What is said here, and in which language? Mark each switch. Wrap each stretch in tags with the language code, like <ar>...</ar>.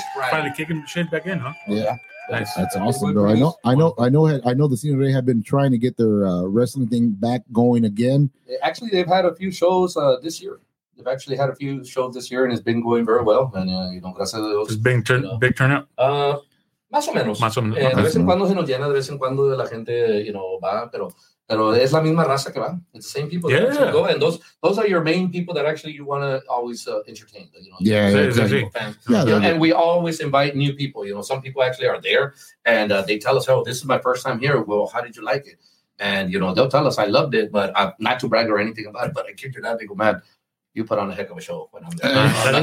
<en>Finally kicking shit back in, huh? Yeah. Nice. That's awesome, bro. I know the Cena Ray have been trying to get their wrestling thing back going again. Actually, they've had a few shows this year. They've actually had a few shows this year, and it's been going very well. And, you know,</en> <es>gracias a Dios.</es> <en>It's been big turnout?</en> <es>Más o menos. De vez en cuando se nos llena, de vez en cuando la gente,</es> <en>you know,</en> <es>va, pero es la misma raza que va.</es> <en>It's the same people. Yeah. That go. And those are your main people that actually you want to always entertain. You know, Yeah, exactly. And we always invite new people. You know, some people actually are there, and they tell us, oh, this is my first time here. Well, how did you like it? And, you know, they'll tell us, I loved it, but not to brag or anything about it, but I kicked your dad, they go, man, you put on a heck of a show when I'm there.</en>